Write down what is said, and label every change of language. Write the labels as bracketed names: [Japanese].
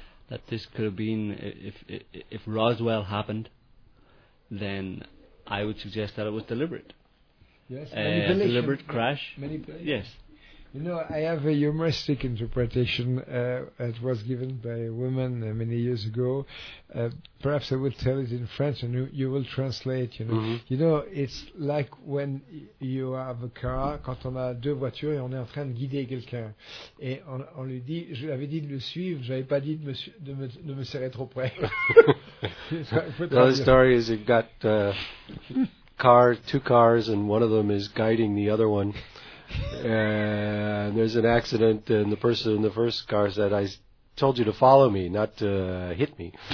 [English] that this could have been, if Roswell happened, then I would suggest that it was deliberate. Yes, manipulation. Deliberate crash. Manipulation. Yes. You know, I have a humoristic interpretation that was given by a woman many years ago. Perhaps I will tell it in French and you will translate, Mm-hmm. You know, it's like when you have a car, [French] quand on a deux voitures et on est en train de guider quelqu'un. Et on lui dit, je lui avais dit de le suivre, j'avais pas dit de me serrer trop près. [English] The story is you've got two cars and one of them is guiding the other one. And there's an accident, and the person in the first car said, I told you to follow me, not to hit me.